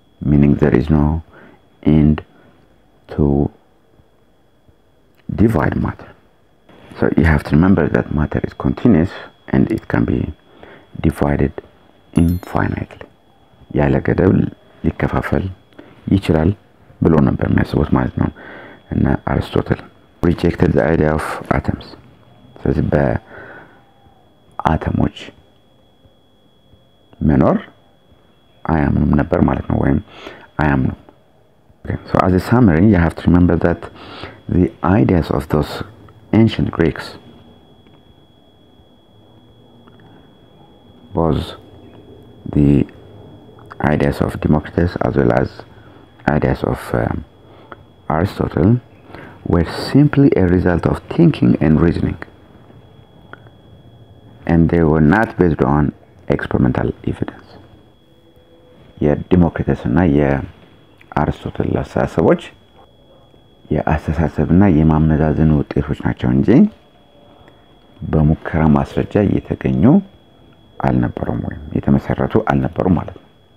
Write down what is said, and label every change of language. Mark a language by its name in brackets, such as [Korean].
[English] Meaning there is no end to divide matter. So you have to remember that matter is continuous and it can be divided infinitely. [Amharic] ያለ ገደብ ሊከፋፈል ይችላል ብሎ ነበር የሚያስቡት ማለት ነው። እና አሪስቶትል [English] rejected the idea of atoms. [Amharic] ስለዚህ በአተሞች መኖር አያምኑም ነበር ማለት ነው ወይም አያምኑም። Okay. [English] So as a summary, you have to remember that the ideas of those ancient Greeks was the ideas of Democritus as well as ideas of Aristotle were simply a result of thinking and reasoning, and they were not based on experimental evidence. [Amharic] የዲሞክሪተስ እና የአርስቶትል አስተሳሰቦች የአስተሳሰብና የማመዛዘን ውጤቶች ናቸው እንጂ በሙከራ ማስረጃ እየተገኙ አልነበሩም ወይም የተመሰረቱ አልነበሩም ማለት ነው።